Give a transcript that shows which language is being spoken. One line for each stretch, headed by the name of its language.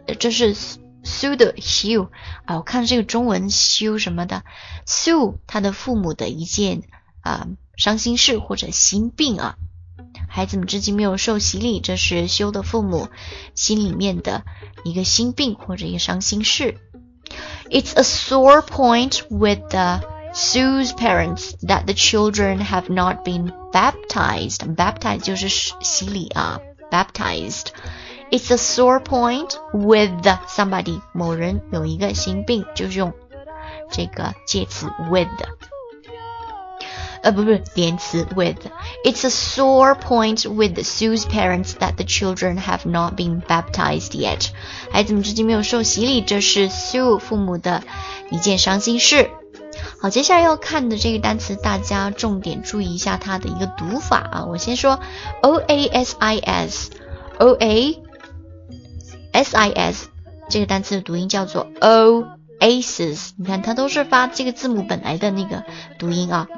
Chinese: 这是 Sue 的 Hugh 啊，我看这个中文 Sue 什么的 Sue 他的父母的一件伤心事或者心病啊。孩子们至今没有受洗礼，这是修的父母心里面的一个心病或者一个伤心事。
English: It's a sore point with the Sue's parents that the children have not been baptized.
Chinese: Baptized 就是洗礼啊 ，baptized.
English: It's a sore point with somebody
Chinese: 某人有一个心病，就是用这个介词 with。不是连词 with.
English: It's a sore point with Sue's parents that the children have not been baptized yet.
Chinese: 孩子们至今没有受洗礼，这是 Sue 父母的一件伤心事。好，接下来要看的这个单词，大家重点注意一下它的一个读法啊。我先说 OASIS， OASIS 这个单词的读音叫做 OASIS， 你看它都是发这个字母本来的那个读音啊。